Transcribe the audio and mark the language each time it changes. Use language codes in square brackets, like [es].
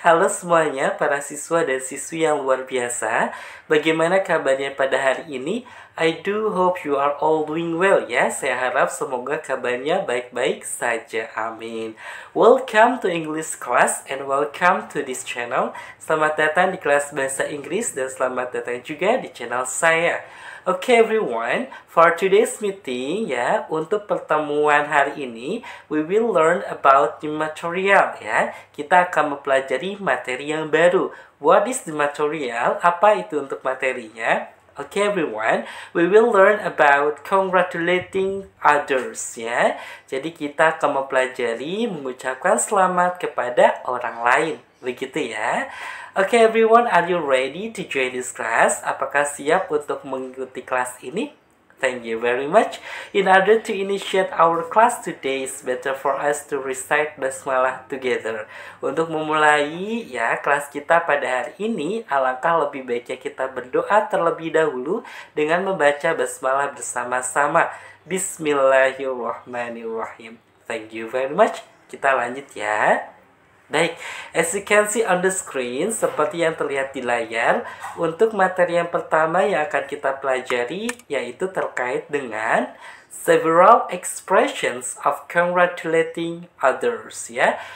[id] Halo semuanya, para siswa dan siswi yang luar biasa. Bagaimana kabarnya pada hari ini? [en] I do hope you are all doing well ya. [id] Saya harap semoga kabarnya baik-baik saja. Amin. [en] Welcome to English class and welcome to this channel. [id] Selamat datang di kelas Bahasa Inggris dan selamat datang juga di channel saya. [en] Okay everyone, for today's meeting, ya, [id] untuk pertemuan hari ini, [en] we will learn about new material, ya. [id] Kita akan mempelajari materi yang baru. [en] What is the material? [id] Apa itu untuk materinya? [en] Okay everyone, we will learn about congratulating others, ya. [id] Jadi kita akan mempelajari mengucapkan selamat kepada orang lain, begitu ya. [en] Okay everyone, are you ready to join this class? [id] Apakah siap untuk mengikuti kelas ini? [en] Thank you very much. In order to initiate our class today, it's better for us to recite basmalah together. [id] Untuk memulai ya kelas kita pada hari ini, alangkah lebih baiknya kita berdoa terlebih dahulu dengan membaca basmalah bersama-sama. [en] Bismillahirrahmanirrahim. Thank you very much. [id] Kita lanjut ya. Baik, [en] as you can see on the screen, [id] seperti yang terlihat di layar, untuk materi yang pertama yang akan kita pelajari yaitu terkait dengan [en] several expressions of congratulating others, [id] ya.